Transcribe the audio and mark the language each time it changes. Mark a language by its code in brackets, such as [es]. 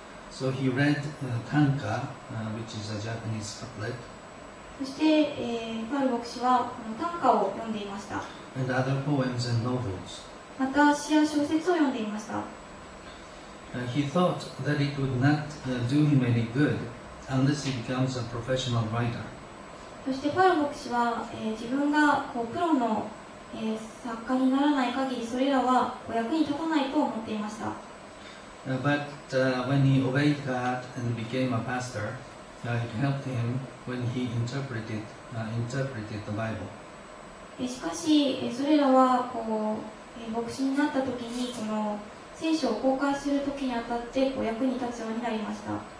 [en] So he read Tanka, which is a Japanese couplet. [ja] そして、パウロ牧師はこの短歌を読んでいました。 [en] And other poems and novels. [ja] また詩や小説を読んでいました。 [en] He thought that it would not do him any good unless he becomes a professional writer. [ja] そしてパウロ牧師は、自分がこうプロの、作家にならない限りそれらはお役に立たないと思っていました。 [en] When he obeyed God and became a pastor, it helped him when he interpreted the Bible. [ja] しかし、それらはこう牧師になった時にこの聖書を公開する時にあたってこう役に立つようになりました。